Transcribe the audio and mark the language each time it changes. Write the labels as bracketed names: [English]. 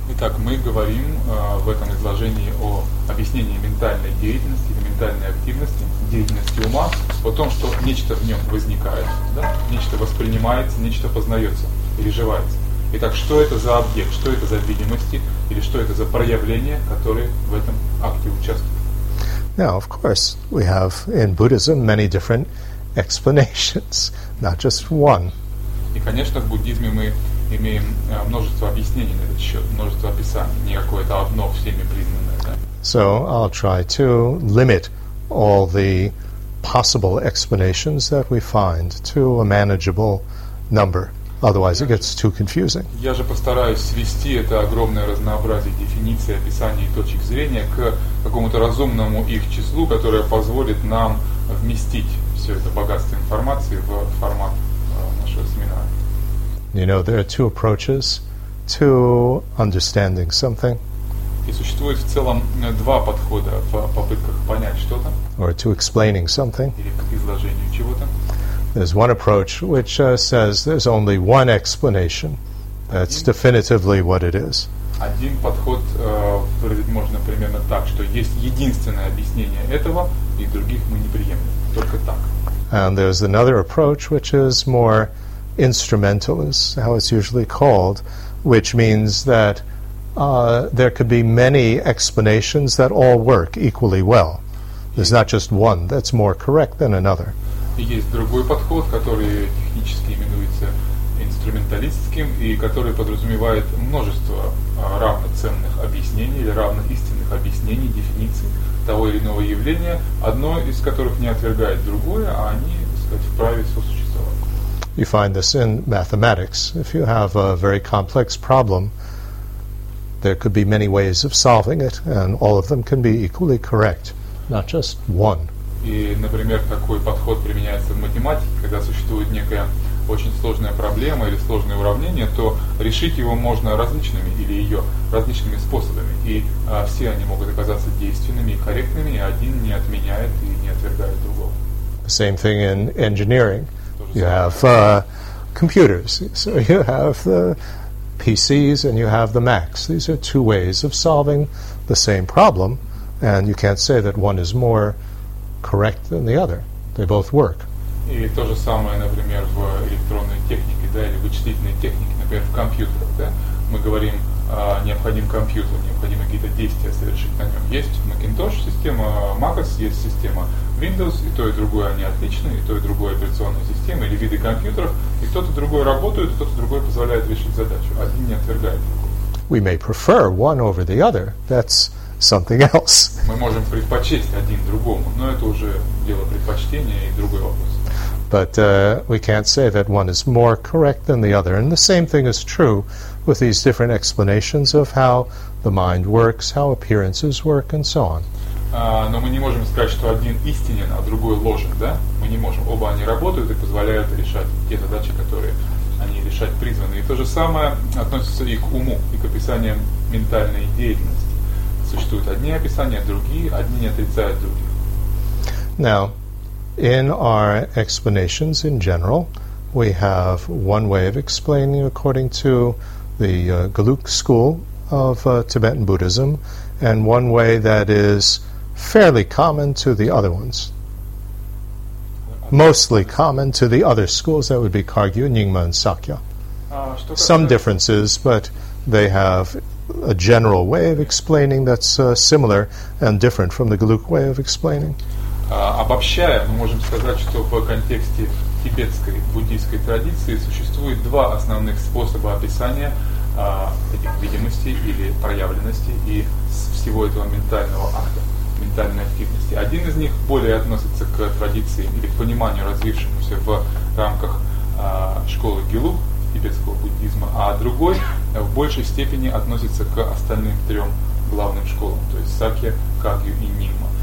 [Russian] Итак, мы говорим в этом изложении о объяснении ментальной деятельности или ментальной активности, деятельности ума, о том, что нечто в нем возникает, да? Нечто воспринимается, нечто познается, переживается. Итак, что это за объект, что это за видимости или что это за проявления, которые в этом акте участвуют? [English] Now, of course, we have in Buddhism many different explanations, not just one. [Russian] И, конечно, в буддизме мы имеем множество объяснений на этот счет, множество описаний, не какое-то одно всеми признанное. Да? [English] So, I'll try to limit all the possible explanations that we find to a manageable number. Otherwise, it gets too confusing. [Russian] Я же постараюсь свести это огромное разнообразие дефиниций, описаний и точек зрения к какому-то разумному их числу, которое позволит нам вместить все это богатство информации в формат нашего семинара. [English] You know, there are two approaches to understanding something. [Russian] И существует в целом два подхода в попытках понять что-то. [English] Or to explaining something. [Russian] Или к изложению чего-то. [English] There's one approach which says there's only one explanation. That's definitively what it is. [Russian] Один подход выразить можно примерно так, что есть единственное объяснение этого, и других мы не приемлем. Только так. [English] And there's another approach which is more instrumental, is how it's usually called, which means that there could be many explanations that all work equally well. There's not just one that's more correct than another. [Russian] И есть другой подход, который технически именуется инструменталистским, и который подразумевает множество равноценных объяснений или равноистинных объяснений, дефиниций того или иного явления, одно из которых не отвергает другое, а они, так сказать, вправе сосуществовать. [English] You find this in mathematics. If you have a very complex problem, there could be many ways of solving it, and all of them can be equally correct, not just one. [Russian] И, например, такой подход применяется в математике, когда существует некая очень сложная проблема или сложное уравнение, то решить его можно различными или ее различными способами. И все они могут оказаться действенными и корректными, и один не отменяет и не отвергает другого. [English] The same thing in engineering. You have computers. So you have the PCs and you have the Macs. These are two ways of solving the same problem, and you can't say that one is more correct than the other. They both work. [Russian] И то же самое, например, в электронной технике, да, или вычислительной технике, например, в компьютерах, да, мы говорим, необходим компьютер, необходимо какие-то действия совершить на нем. Есть Macintosh система, macOS, есть система Windows, и то, и другое они отличны, и то, и другое операционные системы, или виды компьютеров, и кто-то другой работает, и кто-то другой позволяет решить задачу. Один не отвергает другого. [English] We may prefer one over the other. That's something else. [Russian] Мы можем предпочесть один другому, но это уже дело предпочтения и другой вопрос. [English] But we can't say that one is more correct than the other. And the same thing is true with these different explanations of how the mind works, how appearances work, and so on. [Russian] Но мы не можем сказать, что один истинен, а другой ложен, да? Мы не можем. Оба они работают и позволяют решать те задачи, которые они решать призваны. И то же самое относится и к уму, и к описаниям ментальной деятельности. Существуют одни описания, другие, одни не отрицают других. [English] Now, in our explanations in general, we have one way of explaining according to the gelug school of Tibetan Buddhism, and one way that is fairly common to the other ones. Mostly common to the other schools, that would be Kagyu, Nyingma, and Sakya. Some differences, but they have a general way of explaining that's similar and different from the Galuk way of explaining. [Russian] Обобщая, мы можем сказать, что в контексте тибетской буддийской традиции существует два основных способа описания этих видимостей или проявленностей и всего этого ментального акта. Ментальной активности. Один из них более относится к традиции или к пониманию, развившемуся в рамках школы гелуг тибетского буддизма, а другой в большей степени относится к остальным трем главным школам, то есть Сакья, Кагью и Нигма.